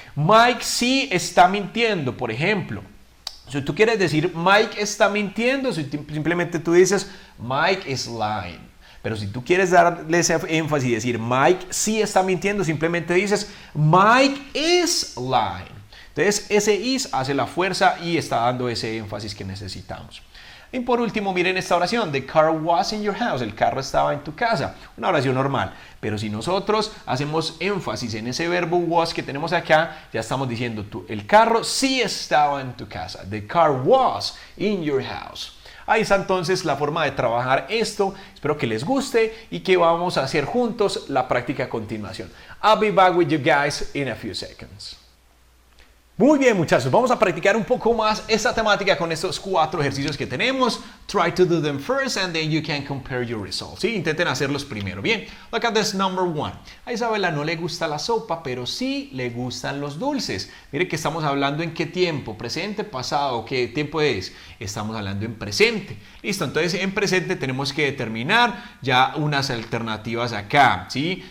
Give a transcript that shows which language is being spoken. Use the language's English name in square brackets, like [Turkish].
[Spanish] Mike sí está mintiendo, por ejemplo. Si tú quieres decir Mike está mintiendo, simplemente tú dices [English] Mike is lying. [Spanish] Pero si tú quieres darle ese énfasis y decir Mike sí está mintiendo, simplemente dices [English] Mike is lying. [Spanish] Entonces, ese is hace la fuerza y está dando ese énfasis que necesitamos. Y por último, miren esta oración. [English] The car was in your house. [Spanish] El carro estaba en tu casa. Una oración normal. Pero si nosotros hacemos énfasis en ese verbo was que tenemos acá, ya estamos diciendo el carro sí estaba en tu casa. [English] The car was in your house. [Spanish] Ahí está entonces la forma de trabajar esto. Espero que les guste y que vamos a hacer juntos la práctica a continuación. [English] I'll be back with you guys in a few seconds. [Spanish] Muy bien, muchachos. Vamos a practicar un poco más esta temática con estos cuatro ejercicios que tenemos. [English] Try to do them first and then you can compare your results. [Spanish] Sí, intenten hacerlos primero. Bien, [English] look at this number one. [Spanish] A Isabela no le gusta la sopa, pero sí le gustan los dulces. Mire que estamos hablando en qué tiempo, presente, pasado, qué tiempo es. Estamos hablando en presente. Listo, entonces en presente tenemos que determinar ya unas alternativas acá, ¿sí?